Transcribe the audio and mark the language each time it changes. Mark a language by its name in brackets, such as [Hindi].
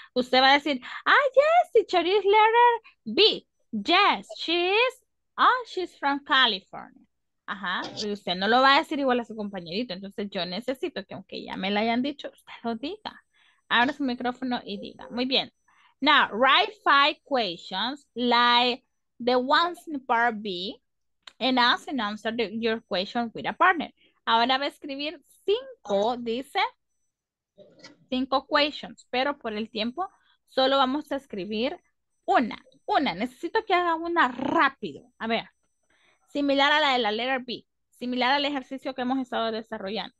[Spanish] Usted va a decir, [English] ah, yes, teacher is letter B. Yes, she is, oh, she's from California. [Spanish] Ajá, y usted no lo va a decir igual a su compañerito. Entonces yo necesito que aunque ya me la hayan dicho, usted lo diga. Abra su micrófono y diga. Muy bien. [English] Now, write 5 questions like the ones in part B and ask and answer your question with a partner. [Spanish] Ahora va a escribir 5, dice, 5 questions, pero por el tiempo solo vamos a escribir una. Necesito que haga una rápido. A ver, similar a la de la letter B, similar al ejercicio que hemos estado desarrollando.